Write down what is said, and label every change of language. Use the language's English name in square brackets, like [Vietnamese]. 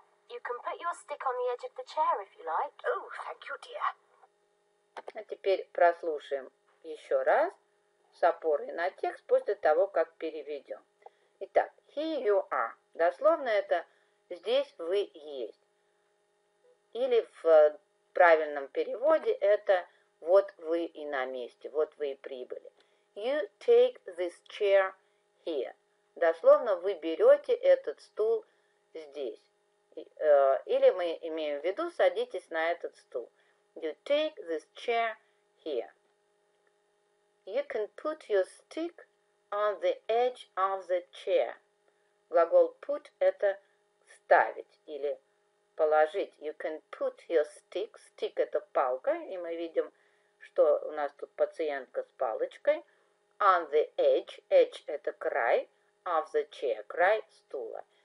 [English] You can put your stick on the edge of the chair if you like. Oh, thank you, dear. [Russian] А теперь прослушаем еще раз с опорой на текст после того, как переведем. [English] Итак, here you are. [Russian] Дословно это здесь вы есть. Или в правильном переводе это вот вы и на месте, вот вы и прибыли. [English] You take this chair here. [Russian] Дословно вы берете этот стул здесь. Или мы имеем в виду, садитесь на этот стул. [English] You take this chair here. You can put your stick on the edge of the chair. [Russian] Глагол put – это ставить или положить. [English] You can put your stick. Stick – [Russian] это палка. И мы видим, что у нас тут пациентка с палочкой. [English] On the edge. Edge – [Russian] это край. [English] Of the chair – [Russian] край стула.